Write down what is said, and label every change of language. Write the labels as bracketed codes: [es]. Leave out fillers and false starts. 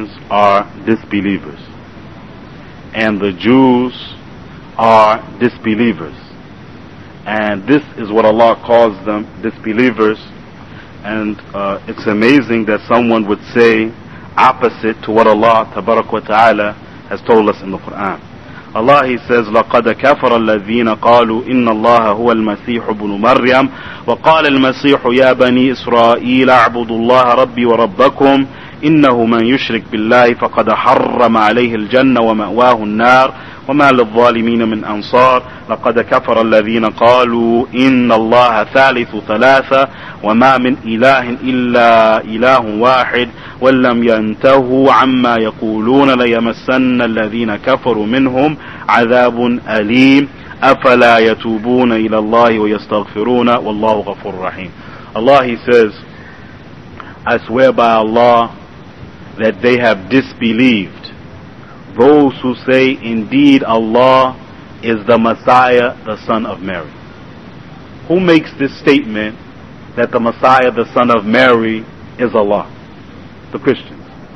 [en] Are disbelievers, and the Jews are disbelievers, and this is what Allah calls them, disbelievers. And it's amazing that someone would say opposite to what Allah tabarak wa ta'ala has told us in the Quran. Allah, he says, [ar] لقد كفر الذين قالوا إن الله هو المسيح ابن مريم وقال المسيح يا بني إسرائيل اعبدوا الله ربي وربكم إنه من يشرك بالله فقد حرم عليه الجنة ومأواه النار وما للظالمين من أنصار. لقد كفر الذين قالوا إن الله ثالث ثلاثة وما من إله إلا إله واحد ولم ينتهوا عما يقولون ليمسن الذين كفروا منهم عذاب أليم أفلا يتوبون إلى الله ويستغفرون والله غفور رحيم. [en] Allah, he says, I swear by Allah that they have disbelieved those who say indeed Allah is the Messiah, the Son of Mary. Who makes this statement that the Messiah, the Son of Mary, is Allah? The Christians.